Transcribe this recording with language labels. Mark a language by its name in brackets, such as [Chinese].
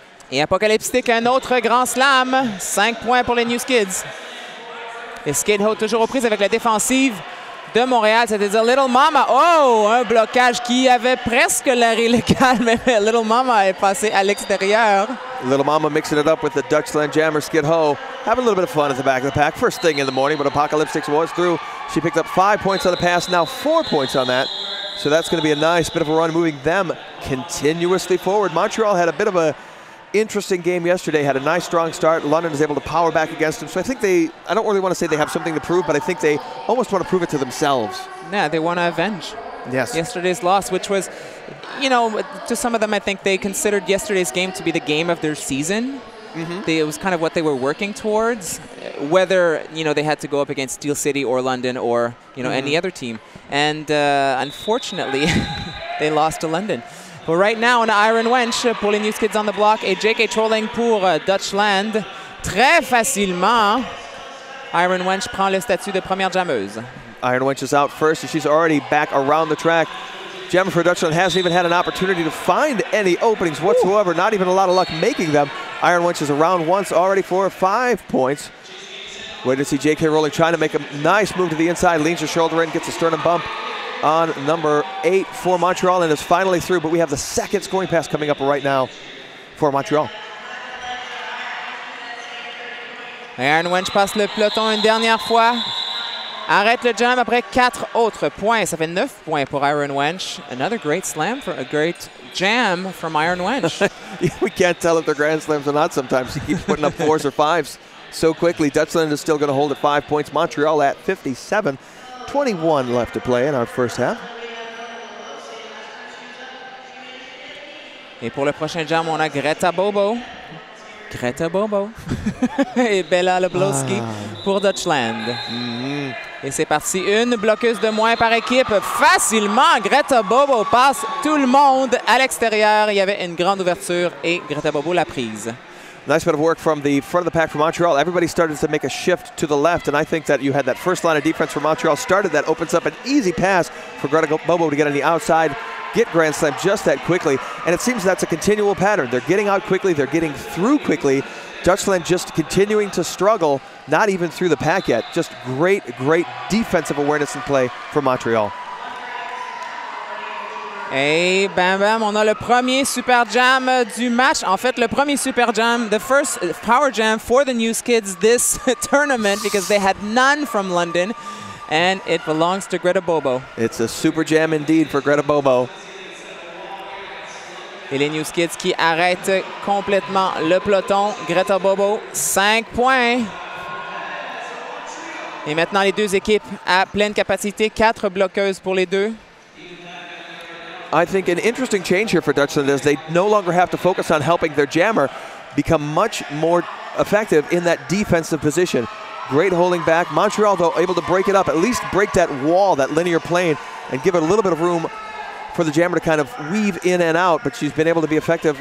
[French] Et Apocalyptic, un autre grand slam. 5 points pour les New Skids. Et Skid Ho toujours aux prises avec la défensive de Montréal, c'est-à-dire Little Mama. Oh, un blocage qui avait presque l'air illégal, mais Little Mama est passé à l'extérieur. [English] Little Mama mixing it up with the Dutchland jammer Skid Ho. Having a little bit of fun at the back of the pack. First thing in the morning, but Apocalyptic was through. She picked up 5 points on the pass, now 4 points on that. So that's going to be a nice bit of a run, moving them continuously forward. Montreal had a bit of a interesting game yesterday, had a nice strong start. London is able to power back against them. So I think I don't really want to say they have something to prove, but I think they almost want to prove it to themselves. Yeah, they want to avenge yesterday's loss, which was, you know, to some of them, I think they considered yesterday's game to be the game of their season. Mm-hmm. It was kind of what they were working towards, whether, you know, they had to go up against Steel City or London or, you know, any other team. And unfortunately, they lost to London. [French] But right now, an Iron Wench pour les New Skids on the Block et JK Trolling pour Dutchland. Très facilement, Iron Wench prend le statut de première jammeuse. [English] Iron Wench is out first, and she's already back around the track. Jammer for Dutchland hasn't even had an opportunity to find any openings whatsoever. Ooh. Not even a lot of luck making them. Iron Wench is around once already for 5 points. Wait to see JK Rowling trying to make a nice move to the inside. Leans her shoulder in, gets a sternum bump on number 8 for Montreal and is finally through, but we have the second scoring pass coming up right now for Montreal. [French] Iron Wench passe le peloton une dernière fois. Arrête le jam après 4 autres points. Ça fait 9 points pour Iron Wench. [English] Another great slam for a great jam from Iron Wench. We can't tell if they're grand slams or not sometimes. She keeps putting up fours or fives so quickly. Dutchland is still going to hold at 5 points. Montreal at 57. 21 left to play in our first half. [French] Et pour le prochain jam, on a Greta Bobo. Greta Bobo. Et Bella Lebloski pour Dutchland. Et c'est parti, une bloqueuse de moins par équipe. Facilement, Greta Bobo passe tout le monde à l'extérieur. Il y avait une grande ouverture et Greta Bobo l'a prise. [English] Nice bit of work from the front of the pack for Montreal. Everybody started to make a shift to the left, and I think that you had that first line of defense for Montreal started. That opens up an easy pass for Greta Bobo to get on the outside, get Grand Slam just that quickly. And it seems that's a continual pattern. They're getting out quickly. They're getting through quickly. Dutchland just continuing to struggle, not even through the pack yet. Just great, great defensive awareness and play for Montreal. [French] Hey, bam, bam, on a le premier super jam du match. [English] En fait, le premier super jam, the first power jam for the New Skids this tournament because they had none from London. And it belongs to Greta Bobo. It's a super jam indeed for Greta Bobo. [French] Et les New Kids qui arrêtent complètement le peloton. Greta Bobo, 5 points. Et maintenant, les deux équipes à pleine capacité, 4 bloqueuses pour les deux. [English] I think an interesting change here for Dutchland is they no longer have to focus on helping their jammer become much more effective in that defensive position. Great holding back. Montreal, though, able to break it up, at least break that wall, that linear plane, and give it a little bit of room for the jammer to kind of weave in and out, but she's been able to be effective.